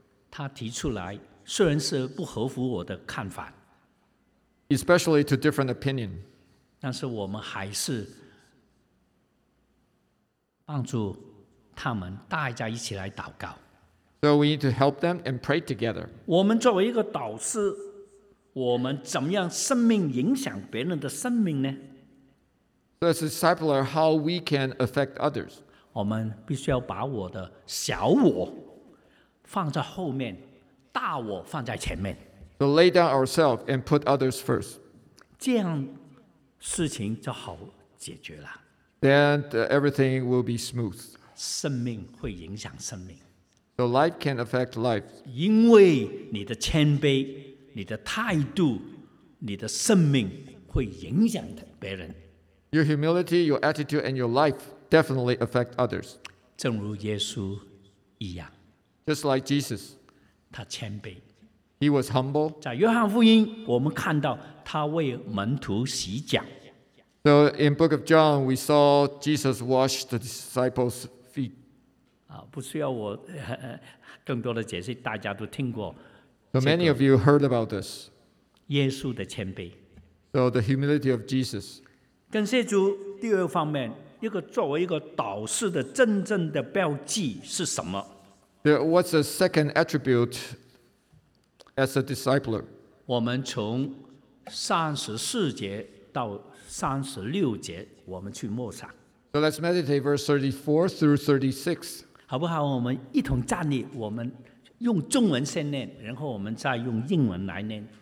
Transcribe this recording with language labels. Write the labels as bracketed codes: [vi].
[zh] 他提出来，虽然是不合乎我的看法。 [en] Especially to different opinion. [zh] 但是我们还是帮助他们，大家一起来祷告。 [en] So we need to help them and pray together. [zh] 我们作为一个导师，我们怎么样生命影响别人的生命呢？ [en] So as a disciple, how we can affect others. [zh] 我们必须要把我的小我放在后面，大我放在前面。 [en] So lay down ourselves and put others first. [zh] 这样事情就好解决了。 [en] Then everything will be smooth. [zh] 生命会影响生命。 [en] So life can affect life. [zh] 因为你的谦卑，你的态度，你的生命会影响别人。 [en] Your humility, your attitude, and your life definitely affect others. [zh] 正如耶稣一样。 [en] Just like Jesus. [zh] 他谦卑。 [en] He was humble. [zh] 在约翰福音，我们看到他为门徒洗脚。 [en] So in Book of John, we saw Jesus wash the disciples' feet. [zh] 不需要我更多的解释，大家都听过。 [en] So many of you heard about this. [zh] 耶稣的谦卑。 [en] So the humility of Jesus. [zh] 感谢主。第二方面，一个作为一个导师的真正的标记是什么？ [en] There, what's the second attribute as a discipler? [zh] 我们从34节到36节，我们去默想。 [en] So let's meditate verse 34 through 36. [zh] 好不好？我们一同站立，我们用中文先念，然后我们再用英文来念。